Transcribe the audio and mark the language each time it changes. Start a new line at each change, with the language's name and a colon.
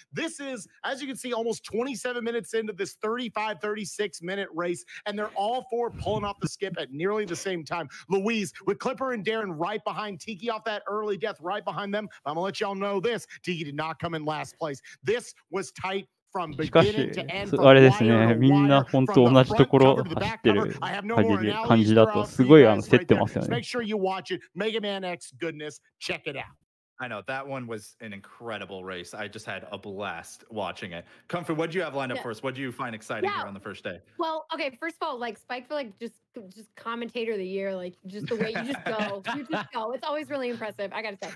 English: This is, as you can see, almost 27 minutes into this 35, 36 minute race. And they're all four pulling off the skip at nearly the same time. Louise, with Clipper and Darren right behind, Tiki off that early death right behind them. I'm gonna let y'all know this, Tiki did not come in last place. This was tight from beginning to end.
Japanese: あれですね、みんな本当同じところ走ってる感じだとすごい競ってますよね。
English: Make sure you watch it. Mega Man X goodness, check it out. I know, that one was an incredible race. I just had a blast watching it. Comfort, what did you have lined up for us? What did you find exciting here on the first day? Well, okay, first of all, like, Spike for, like, just commentator of the year. Like, just the way you just go. It's always really impressive, I gotta say.